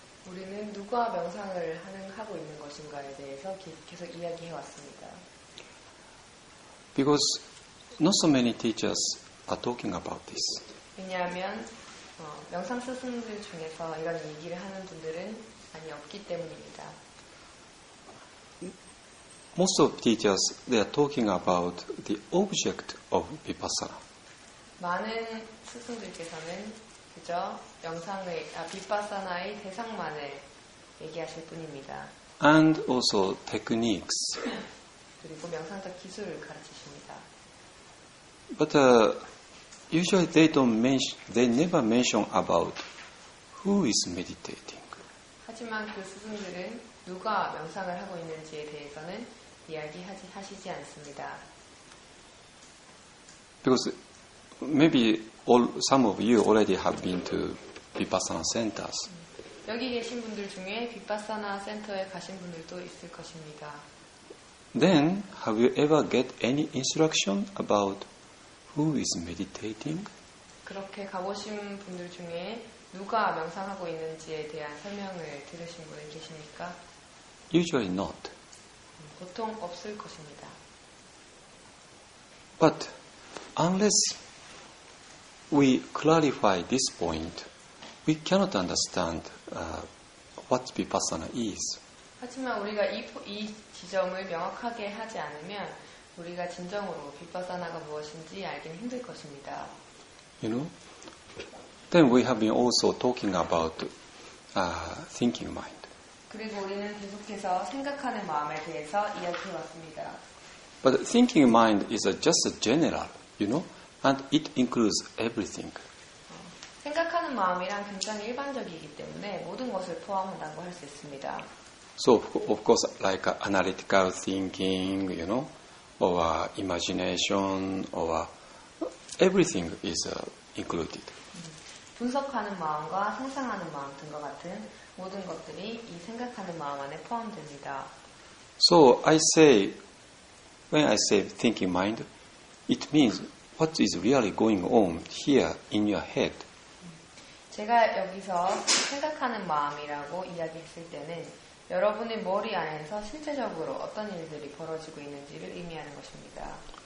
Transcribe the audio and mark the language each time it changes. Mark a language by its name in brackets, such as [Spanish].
[Korean] 우리는 누가 명상을 하고 있는 것인가에 대해서 계속 이야기해 왔습니다. [English] Because not so many teachers are talking about this. [Korean] 왜냐하면 명상 스승들 중에서 이런 얘기를 하는 분들은 많이 없기 때문입니다. [English] Most of teachers, they are talking about the object of vipassana. [Korean] 많은 스승들께서는 그저 명상의 비파사나의 대상만을 얘기하실 뿐입니다. [English] And also techniques. [Korean] 그리고 명상적 기술을 가르치십니다. [English] But usually they don't mention, they never mention about who is meditating. [Korean] 하지만 그 스승들은 누가 명상을 하고 있는지에 대해서는 이야기하시지 않습니다. [English] Because maybe all some of you already have been to Vipassana centers. [Korean] 여기 계신 분들 중에 비파사나 센터에 가신 분들도 있을 것입니다. [English] Then have you ever get any instruction about who is meditating? [Korean] 그렇게 가보신 분들 중에 누가 명상하고 있는지에 대한 설명을 들으신 분은 계십니까? [English] Usually not. [Korean] 보통 없을 것입니다. [English] But unless we clarify this point, we cannot understand what vipassana is. [Korean] 하지만 우리가 이 지점을 명확하게 하지 않으면 우리가 진정으로 비파사나가 무엇인지 알기는 힘들 것입니다. [English] You know, then we have been also talking about thinking mind. [Korean] 그리고 우리는 계속해서 생각하는 마음에 대해서 이야기해 왔습니다. [English] But thinking mind is just a general, you know, and it includes everything. [Korean] 생각하는 마음이란 굉장히 일반적이기 때문에 모든 것을 포함한다고 할 수 있습니다. [English] So of course, like analytical thinking, you know, or imagination, or everything is included. [Korean] 분석하는 마음과 상상하는 마음 등과 같은 모든 것들이 이 생각하는 마음 안에 포함됩니다. [English] So I say, when I say thinking mind, it means what is really going on here in your head. [Korean] 제가 여기서 생각하는 마음이라고 이야기했을 때는 여러분의 머리 안에서 실제적으로 어떤 일들이 벌어지고 있는지를 의미하는 것입니다.